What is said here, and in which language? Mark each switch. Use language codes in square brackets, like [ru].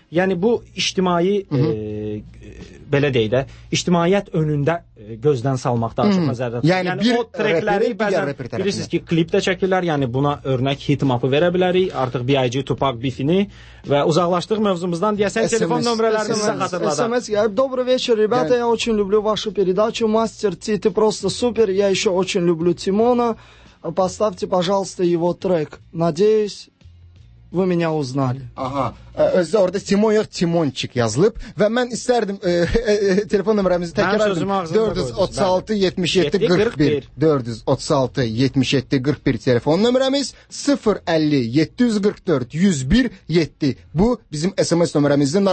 [az] Yəni bu ictimai belə deyək də, ictimaiyyət önündə gözdən salmaq daha çox nəzərdə tutulur. Yəni bir o trekləri bəzən bilirsiniz ki, klipdə çəkirlər. Yəni buna örnək hit mapı verə bilərik. Artıq BIG, Tupac, Biffini və uzaqlaşdıq mövzumuzdan deyəsən telefon nömrələrini sizə xatırladaq. [ru] SMS, dobry veçer, ребята, я очень люблю вашу передачу. Мастер Тит, просто супер. Я ещё очень люблю Тимона. Поставьте, пожалуйста, его трек. Надеюсь, вы меня узнали. Ага. [az] Özdə orada Timon yox, Timonçik yazılıb və mən istərdim telefon nömrəmizi təkrar edim. 436-77-41 436-77-41 telefon nömrəmiz 050-744-1017 bu bizim SMS nömrəmizdir.